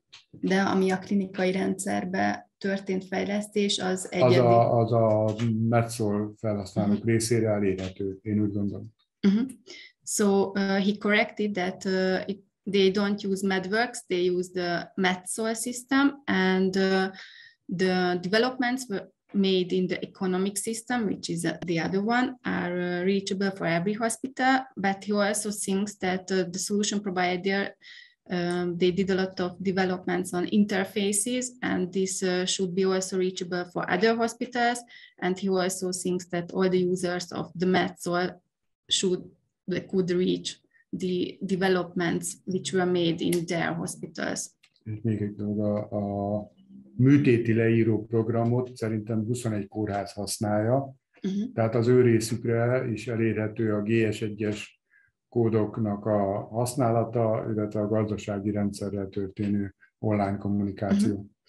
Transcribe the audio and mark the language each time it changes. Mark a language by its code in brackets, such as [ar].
[hu] De ami a klinikai rendszerbe történt fejlesztés, az egyedi... Az a Metzol felhasználók részére elérhető, én úgy gondolom. [en] So he corrected that they don't use MedWorx, they use the Metzol system, and the developments were made in the economic system, which is the other one, are reachable for every hospital, but he also thinks that the solution provider they did a lot of developments on interfaces, and this should be also reachable for other hospitals. And he also thinks that all the users of the Metzol could reach the developments which were made in their hospitals. [hu] És még egy dolog, a műtéti leíró programot szerintem 21 kórház használja, tehát az ő részükre is elérhető a GS1-es kódoknak a használata, illetve a gazdasági rendszerrel történő online kommunikáció.